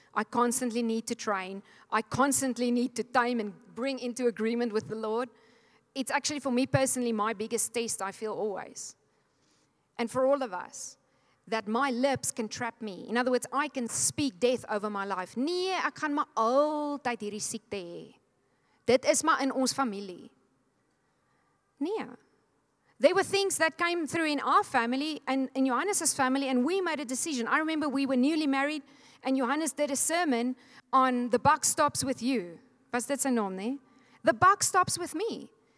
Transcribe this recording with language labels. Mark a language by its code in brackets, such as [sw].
[en] I constantly need to train. I constantly need to tame and bring into agreement with the Lord. It's actually, for me personally, my biggest test, I feel, always. And for all of us, that my lips can trap me. In other words, I can speak death over my life. [af] Nee, ek kan my altyd hierdie siekte hê. Dit is maar in ons familie. Nee. [en] There were things that came through in our family and in Johannes's family, and we made a decision. I remember we were newly married, and Johannes did a sermon on the buck stops with you. [af] Was dit sy naam, nee? [en] The buck stops with me.